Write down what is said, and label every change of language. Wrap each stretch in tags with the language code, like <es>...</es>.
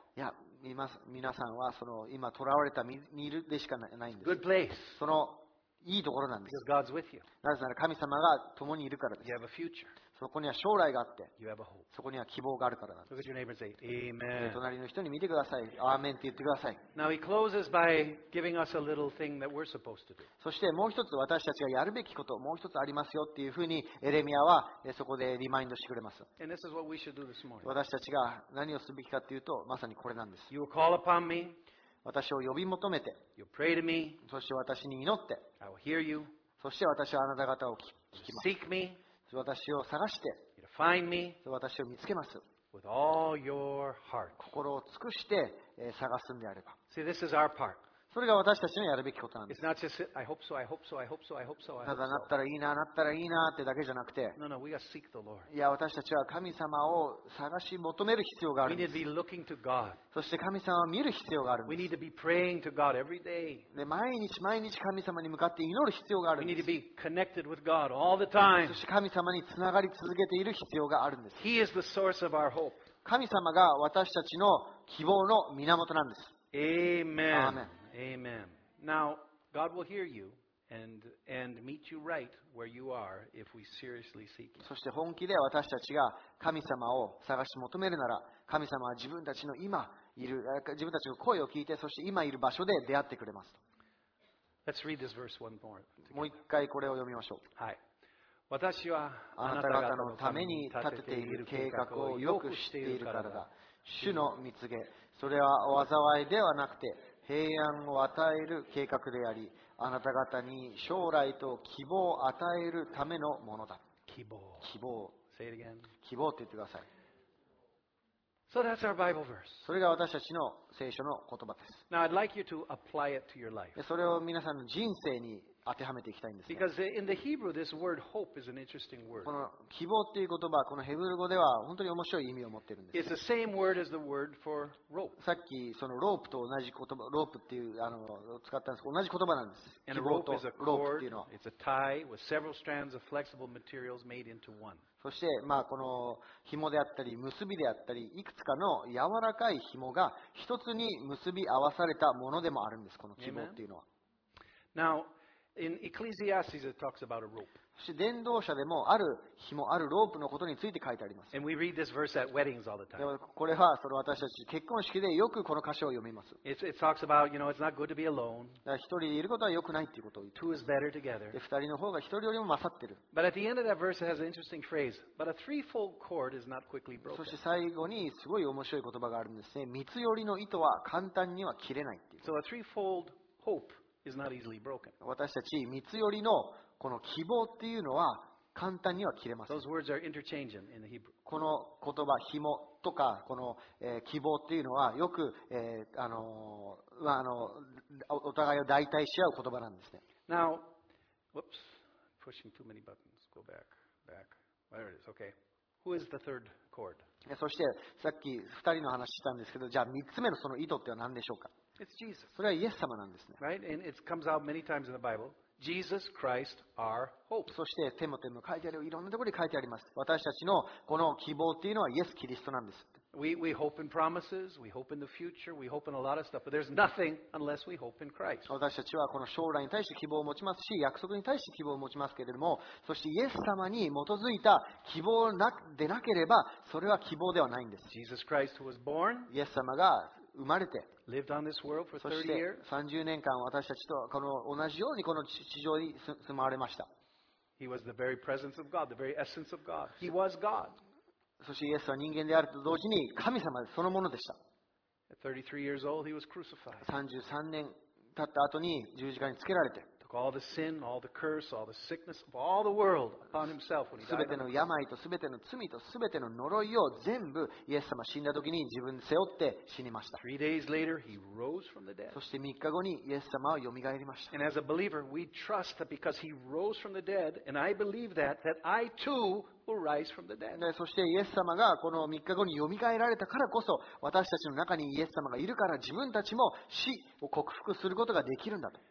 <ja>いや、皆さんはその今囚われた身でしかないんです。</ja> <en>Good place.</en> <ja>そのいいところなんです。</ja> <en>Because God's with you.</en> <ja>なぜなら神様が共にいるからです。</ja> <en>You have a future.</en> <ja>そこには将来があって、</ja> <en>you have a hope.</en> <ja>そこには希望があるからなんです。</ja> <en>Look at your neighbor and say, Amen.</en> <ja>隣の人に見てください。アーメンって言ってください。</ja> <en>Now he closes by giving us a little thing that we're supposed to do.</en> <ja>そしてもう一つ私たちがやるべきこと、もう一つありますよっていうふうにエレミアはそこでリマインドしてくれます。</ja> <en>And this is what we should do this morning.</en> <ja>私たちが何をすべきかっていうと、まさにこれなんです。</ja> <en>You will call upon me.</en> <ja>私を呼び求めて、</ja> <en>You'll pray to me.</en> <ja>そして私に祈って、</ja> <en>I will hear you.</en> <ja>そして私はあなた方を聞きます。</ja> <en>You'll seek me.</en> <ja>私を探して、</ja> <en>You'll find me.</en> <ja>私を見つけます。</ja> <en>With all your heart.</en> <ja>心を尽くして探すんであれば。</ja> <en>See, this is our part.</en> <ja>それが私たちのやるべきことなんです。</ja> <en>It's not just, I hope so, I hope so, I hope so, I hope so.</en> <ja>ただなったらいいな、なったらいいなってだけじゃなくて、</ja> <en>No, no, we gotta seek the Lord.</en> <ja>いや、私たちは神様を探し求める必要があるんです。</ja> <en>We need to be looking to God.</en> <ja>そして神様を見る必要があるんです。</ja> <en>We need to be praying to God every day.</en> <ja>で、毎日毎日神様に向かって祈る必要があるんです。</ja> <en>We need to be connected with God all the time.</en> <ja>そして神様につながり続けている必要があるんです。</ja> <en>He is the source of our hope.</en> <ja>神様が私たちの希望の源なんです。</ja> <en>Amen. Amen. Amen. Now, God will hear you and meet you right where you are if we seriously seek Him.</en> <ja>そして本気で私たちが神様を探し求めるなら、神様は自分たちの今いる自分たちの声を聞いて、そして今いる場所で出会ってくれますと。</ja> <en>Let's read this verse one more.</en> <ja>もう一回これを読みましょう。はい。私はあなた方のために立てている計画をよく知っているからだ。主の御告げ、それは災いではなくて。平安を与える計画であり、あなた方に将来と希望を与えるためのものだ。希望。希望。</ja> <en>Say it again.</en> <ja>希望って言ってください。</ja> <en>So that's our Bible verse.</en> <ja>それが私たちの聖書の言葉です。</ja> <en>Now I'd like you to apply it to your life.</en> <ja>それを皆さんの人生に当てはめていきたいんですね。</ja> <en>Because in the Hebrew, this word hope is an interesting word.</en> <ja>この希望っていう言葉、このヘブル語では本当に面白い意味を持っているんです、ね。</ja> <en>It's the same word as the word for rope.</en> <ja>さっきそのロープと同じ言葉、ロープっていう使ったんですけど、同じ言葉なんです。希望とロープっていうのは。</ja> <en>It's a tie with several strands of flexible materials made into one.</en> <ja>そして、まあ、この紐であったり結びであったり、いくつかの柔らかい紐が一つに結び合わされたものでもあるんです、この紐っていうのは。</ja> <en>Now, in Ecclesiastes, it talks about a rope.</en> <ja>そして伝道者でもある紐、あるロープのことについて書いてあります。</ja> <en>And we read this verse at weddings all the time.</en> <ja>これはその私たち結婚式でよくこの箇所を読みます。</ja> <en>It talks about, you know, it's not good to be alone.</en> <ja>一人でいることは良くないっていうことを言って。</ja> <en>Two is better together.</en> <ja>二人の方が一人よりも勝ってる。</ja> <en>But at the end of that verse, it has an interesting phrase. But a threefold cord is not quickly broken.</en> <ja>そして最後にすごい面白い言葉があるんですね。三つ折りの糸は簡単には切れないっていう。</ja> <en>So a threefold hope. Is not easily broken.</en> <ja>私たち三つ寄りのこの希望っていうのは簡単には切れません。</ja> <en>Those words are interchanging in the Hebrew.</en> <ja>この言葉紐とかこの、希望っていうのはよく、お互いを代替し合う言葉なんですね。</ja> <en>Now, whoops, pushing too many buttons. Go back, back. There it is. Okay. Who is the third cord?</en> <ja>そしてさっき二人の話したんですけど、じゃあ三つ目のその糸っては何でしょうか？</ja> <en>It's Jesus.</en> <ja>それはイエス様なんですね。</ja> <en>Right? And it comes out many times in the Bible. Jesus Christ, our hope.</en> <ja>そしてテモテの書いてあるいろんなところに書いてあります。私たちのこの希望というのはイエス・キリストなんです。</ja> <en>We hope in promises, we hope in the future, we hope in a lot of stuff, but there's nothing unless we hope in Christ.</en> <ja>私たちはこの将来に対して希望を持ちますし、約束に対して希望を持ちますけれども、そしてイエス様に基づいた希望でなければ、それは希望ではないんです。</ja> <en>Jesus Christ who was born,</en> <ja>イエス様が生まれて、</ja> <en>lived on this world for 30 years.</en> <ja>そして30年間私たちとこの同じようにこの地上に住まわれました。</ja> <en>He was the very presence of God, the very essence of God. He was God.</en> <ja>そしてイエスは人間であると同時に神様そのものでした。33年経った後に十字架につけられて、すべての病とすべての罪とすべての呪いを全部イエス様死んだ時に自分で背負って死にました。そして3日後にイエス様はよみがえりました。</ja> <en>And as a believer, we trust that because he rose from the dead, and I believe that, that I too will rise from the dead.</en> <ja>そしてイエス様がこの3日後によみがえられたからこそ、私たちの中にイエス様がいるから自分たちも死を克服することができるんだと。</ja>